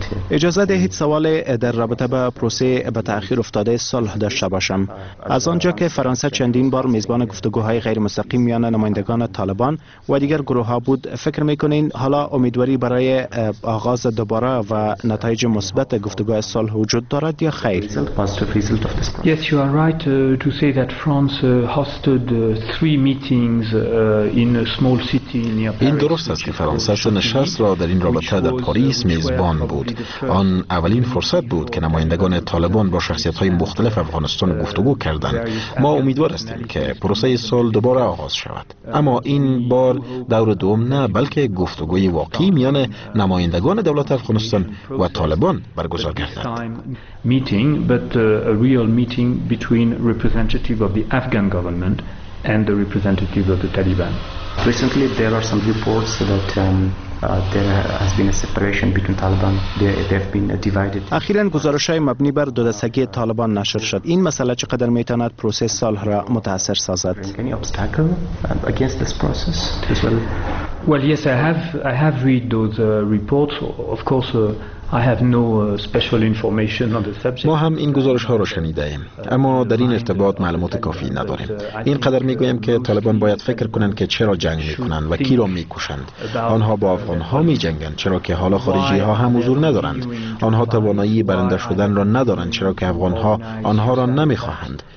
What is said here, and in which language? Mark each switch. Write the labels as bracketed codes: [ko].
[fa] اجازه دهید سوال در رابطه با پروسه به تأخیر افتاده صلح داشته باشم. از آنجا که فرانسه چندین بار میزبان گفتگوهای غیر مستقیم میان نمایندگان طالبان و دیگر گروه ها بود، فکر میکنین حالا امیدواری برای آغاز دوباره و نتایج مثبت گفتگوهای صلح وجود دارد یا خیر؟ [en] Yes, you are right to say that France hosted three meetings in a small city near Paris. [fa] این درست است که فرانسه سه نشست را در این رابطه در پاریس میزبان بود. آن اولین فرصت بود که نمایندگان طالبان با شخصیت‌های مختلف افغانستان گفتگو کردند. ما امیدوار هستیم که پروسه صلح دوباره آغاز شود، اما این بار دور دوم نه، بلکه گفتگوی واقعی میان نمایندگان دولت افغانستان و طالبان برگزار گردد. [en] Meeting, but a real meeting between representative of the Afghan government and the representative of the Taliban. Recently, there are some reports that there has been a separation between Taliban. They have been divided. [fa] اخیراً گزارش‌های مبنی بر دودسگی طالبان نشر شد. این مسئله چقدر می‌تواند پروسه صلح را متأثر سازد؟ [en] Any obstacle against this process as well? Well, yes, I have read those reports. Of course. I have no special information on the subject. [fa] ما هم این گزارش ها را شنیده ایم، اما در این ارتباط معلومات کافی نداریم. این قدر می گویم که طالبان باید فکر کنند که چرا جنگ می کنند و کی را می کشند. آنها با افغان ها می جنگند چرا که حالا خارجی ها هم حضور ندارند. آنها توانایی برنده شدن را ندارند چرا که افغان ها آنها را نمی خواهند.